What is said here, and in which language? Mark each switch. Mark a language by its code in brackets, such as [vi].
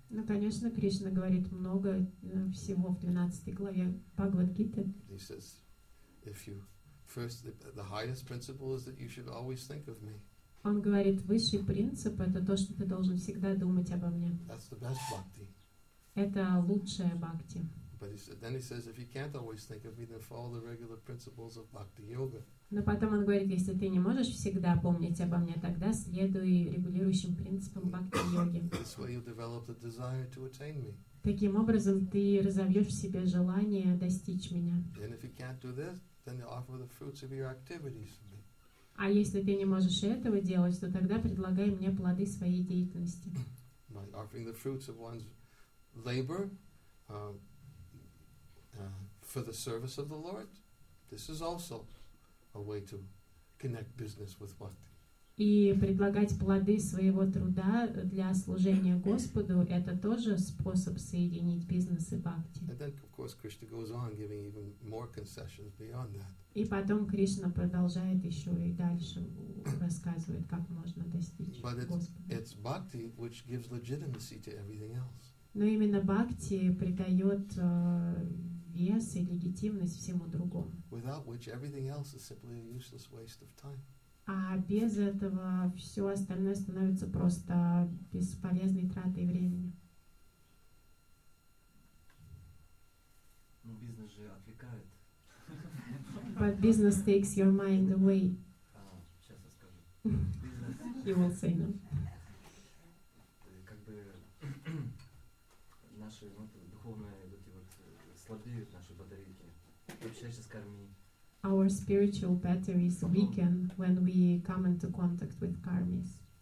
[ru] Ну, конечно, Кришна говорит много всего в 12 главе Бхагавад Гиты. [en] He says, if you first the highest principle is that you should always think of me. [ru] Он говорит, высший принцип это то, что ты должен всегда думать обо мне. [en] That's the best bhakti. [ru] Это лучшая бхакти. [en] But then he says, if you can't always think of me, then follow the regular principles of bhakti yoga. [ru] Но потом он говорит, если ты не можешь всегда помнить обо мне, тогда следуй регулирующим принципам бхакти йоги. [en] That's why you develop the desire to attain me. [ru] Таким образом, ты разовьешь в себе желание достичь меня. [en] And if you can't do this, then offer the fruits of your activities for me. [ru] А если ты не можешь этого делать, то тогда предлагай мне плоды своей деятельности. [en] By offering the fruits of one's labor for the service of the Lord, this is also a way to connect business with what? [ru] И предлагать плоды своего труда для служения Господу — это тоже способ соединить бизнес и бхакти. [en] And then, of course, Krishna goes on giving even more concessions beyond that. [ru] И потом Кришна продолжает еще и дальше рассказывает, как можно достичь Господа. [en] But it's bhakti which gives legitimacy to everything else. [ru] Но именно бхакти придает вес и легитимность всему другому. [en] Without which everything else is simply a useless waste of time. [ru] А без этого все остальное становится просто бесполезной тратой времени. Ну, бизнес же отвлекает. [en] But business takes your mind away. [ru] Сейчас я скажу. Бизнес. [en] You will say no. [ru] Как бы наши духовные вот эти вот слабеют наши батарейки. Общаешься с карми. [en] Our spiritual batteries weaken when we come into contact with karmis.